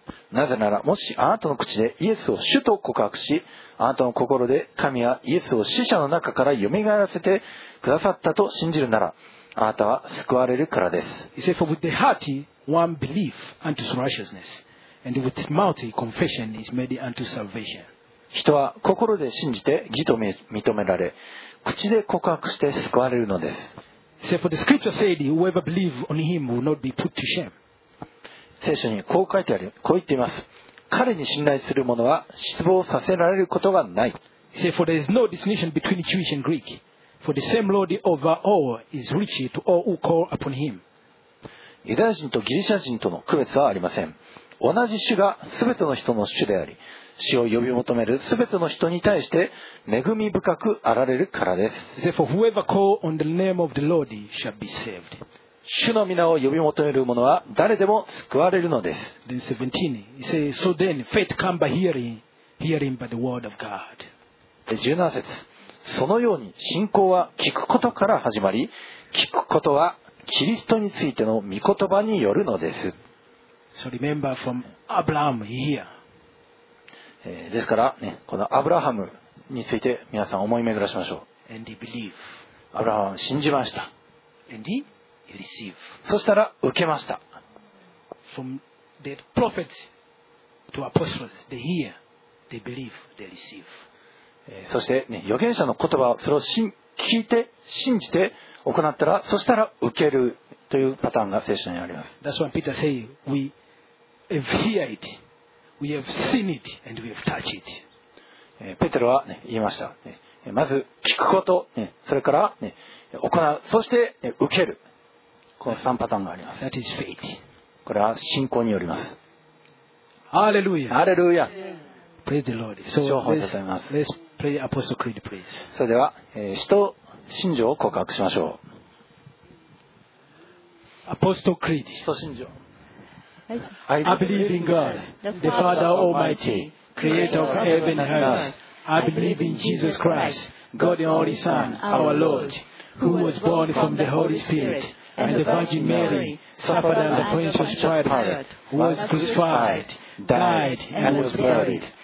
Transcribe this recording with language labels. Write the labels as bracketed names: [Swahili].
[Japanese] なぜならもしあなたの口でイエスを主と告白し、あなたの心で神はイエスを死者の中から蘇らせてくださったと信じるなら、あなたは救われるからです。 [English] He said, for with the heart one believes unto righteousness, and with mouth confession is made unto salvation. [Japanese] 人は心で信じて義と認められ、口で告白して救われるのです。 [English] He said, for the scripture said, whoever believes on him will not be put to shame. [Japanese] 聖書にこう書いてある、こう言っています。彼に信頼する者は失望させられることがない。 [English] He said, for there is no distinction between Jewish and Greek. For the same Lord over all is rich to all who call upon him. [Japanese] ユダヤ人とギリシャ人との区別はありません。同じ主がすべての人の主であり、主を呼び求めるすべての人に対して恵み深くあられるからです。 [English] Therefore, whoever calls on the name of the Lord shall be saved. [Japanese] 主の名を呼び求める者は誰でも救われるのです。 [English] Then 17, he says, so then faith comes by hearing by the word of God. [Japanese] 17節。そのように信仰は聞くことから始まり、聞くことはキリストについての御言葉によるのです。 [English] So remember from Abraham here. [Japanese] ですから、ね、このアブラハムについて皆さん思い巡らしましょう。 [English] And he believed. [Japanese] アブラハムは信じました。 [English] And he received. [Japanese] そしたら受けました。 [English] From the prophets to apostles, they hear, they believe, they receive. [Japanese] そして、ね、預言者の言葉をそれを聞いて信じて行ったら、そしたら受けるというパターンが聖書にあります。 [English] That's why Peter say, we have heard it, we have seen it, and we have touched it. [Japanese] ペテロは、ね、言いました、ね、まず聞くこと、ね、それから、ね、行う、そして、ね、受ける、この3パターンがあります。 [English] That is faith. [Japanese] これは信仰によります。ハレルヤ、ハレルヤ。 [English] Praise the Lord. So, let's pray Apostle Creed, please. [Japanese] それでは、使徒信条を告白しましょう。 [English] Apostle Creed. [Japanese] 使徒信条。 [English] はい。I believe in God, the Father Almighty, Creator of heaven and earth. I believe in Jesus Christ, God the Only Son, our Lord, who was born from the Holy Spirit and the Virgin Mary, suffered under Pontius Pilate, was crucified, died, and was buried.